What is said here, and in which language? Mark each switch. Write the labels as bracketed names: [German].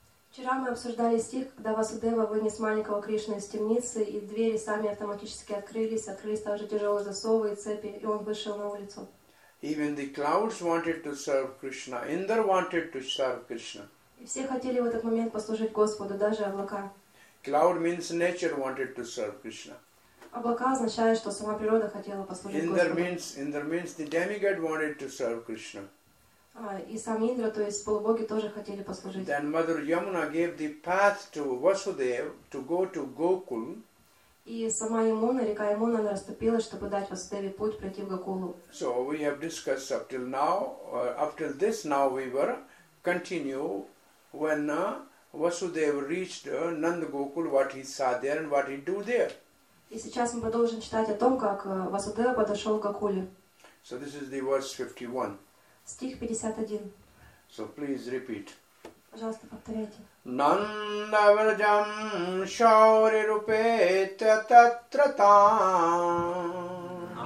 [Russian] Вчера мы обсуждали стих, когда Васудева вынес маленького Кришну из темницы, и двери сами автоматически открылись, открылись также тяжелые засовы и цепи, и он вышел на улицу. [English] Even the clouds wanted to serve Krishna. Indra wanted to serve Krishna. [Russian] И все хотели в этот момент послужить Господу, даже облака. [English] Cloud means nature wanted to serve Krishna. [Russian] Облака означает, что сама природа хотела послужить [English] Indra [Russian] Господу. [English] Indra means the demigod wanted to serve Krishna. [Russian] И сам Индра, то есть полубоги, тоже хотели послужить. [English] Then Mother Yamuna gave the path to Vasudev to go to Gokul. [Russian] И сама Ямуна, река Ямуна, она расступила, чтобы дать Васудеве путь пройти в Гокулу. [English] So we have discussed up till this now we were continue when Vasudev reached Nandagokul, what he saw there and what he do there. [Russian] И сейчас мы продолжим читать о том, как Васудева подошел к Гокуле. [English] So this is the verse 51. [Russian] Стих 51. [English] So please repeat. [Russian] Пожалуйста, повторяйте. [Sanskrit] Нанда вражам шаури рупе тататратам.